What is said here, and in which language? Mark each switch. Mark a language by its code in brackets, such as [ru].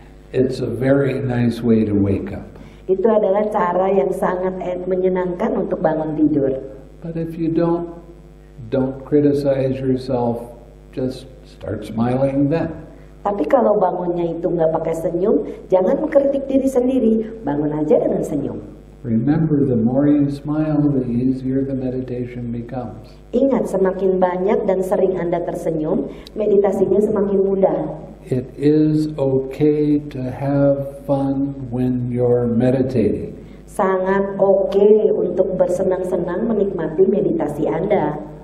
[en] It's a very nice way to wake up. [id] Itu adalah cara yang sangat menyenangkan untuk bangun tidur. [en] But if you don't criticize yourself, just start smiling then. [id] Tapi kalau bangunnya itu nggak pakai senyum, jangan mengkritik diri sendiri, bangun aja dengan senyum. [en] Remember, the more you smile, the easier the meditation becomes. [id] Ingat, semakin banyak dan sering Anda tersenyum, meditasinya semakin mudah. [en] It is okay to have fun when you're meditating. [id] Sangat okay untuk bersenang-senang menikmati meditasi Anda.